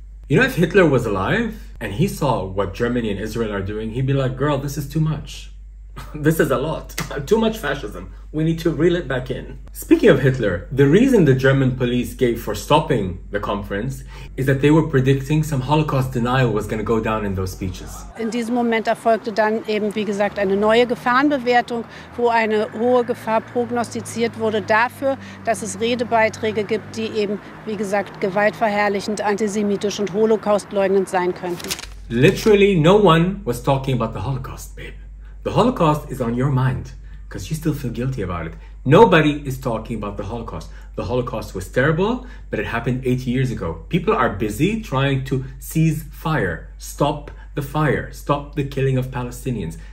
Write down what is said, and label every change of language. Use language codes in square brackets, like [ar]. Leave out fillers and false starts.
[en] You know, if Hitler was alive and he saw what Germany and Israel are doing, he'd be like, girl, this is too much. This is a lot. Too much fascism. We need to reel it back in. Speaking of Hitler, the reason the German police gave for stopping the conference is that they were predicting some Holocaust denial was going to go down in those speeches. [de] In diesem Moment erfolgte dann eben, wie gesagt, eine neue Gefahrenbewertung, wo eine hohe Gefahr prognostiziert wurde dafür, dass es Redebeiträge gibt, die eben, wie gesagt, gewaltverherrlichend, antisemitisch und holocaustleugnend sein könnten. [en] Literally no one was talking about the Holocaust, babe. The Holocaust is on your mind because you still feel guilty about it. Nobody is talking about the Holocaust. The Holocaust was terrible, but it happened 80 years ago. People are busy trying to cease fire, stop the killing of Palestinians.